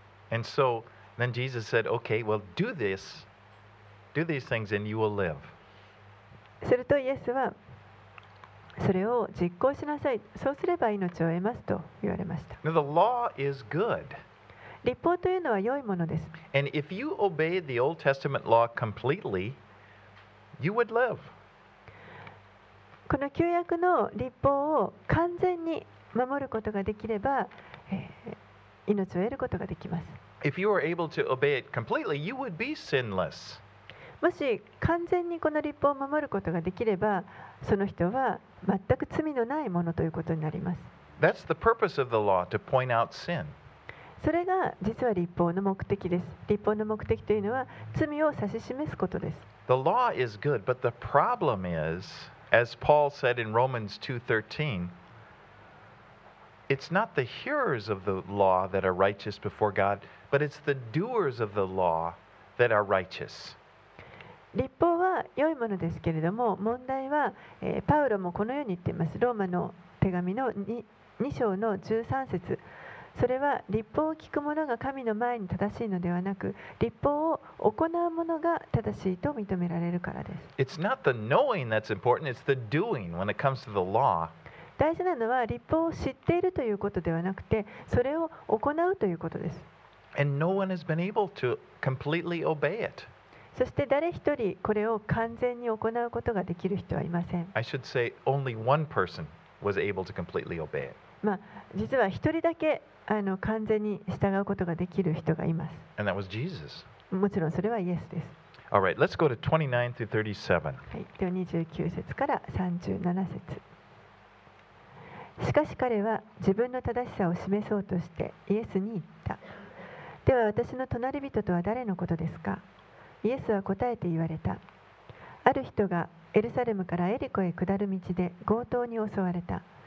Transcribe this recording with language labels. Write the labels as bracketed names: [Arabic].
[English] And so, then Jesus said, okay, well, do this. Do these things and you will live. [Japanese] するとイエスは、それを実行しなさい。そうすれば命を得ますと言われました。 [English] Now, the law is good. [Japanese] 律法というのは良いものです。 [English] And if you obey the Old Testament law completely, you would live. [Japanese] この旧約の律法を完全に守ることができれば、命を得ることができます。 [English] If you are able to obey it completely, you would be sinless. [Japanese] もし完全にこの律法を守ることができれば、その人は全く罪のないものということになります。 [English] That's the purpose of the law, to point out sin. [Japanese] それが実は律法の目的です。律法の目的というのは罪を指し示すことです。 [English] The law is good, but the problem isAs Paul said in Romans 2:13, it's not the hearers of the law that are righteous before God, but it's the doers of the law that are righteous. [Japanese] 律法は良いものですけれども、問題は、パウロもこのように言っています。ローマの手紙の 2章の13節。それは律法を聞く者が神の前に正しいのではなく、律法を行う者が正しいと認められるからです。 [English] It's not the knowing that's important, it's the doing when it comes to the law. [Japanese] 大事なのは律法を知っているということではなくて、それを行うということです。 [English] And no one has been able to completely obey it. [Japanese] そして誰一人これを完全に行うことができる人はいません。 [English] I should say only one person was able to completely obey it. [Japanese] まあ、実は一人だけ完全に従うことができる人がいます。 [English] And that was Jesus. [Japanese] もちろんそれはイエスです。 [English] All right, let's go to 29 through 37. [Japanese] はい、では29節から37節。しかし彼は自分の正しさを示そうとしてイエスに言った。では私の隣人とは誰のことですか？イエスは答えて言われた。ある人がエルサレムからエリコへ下る道で強盗に襲われた。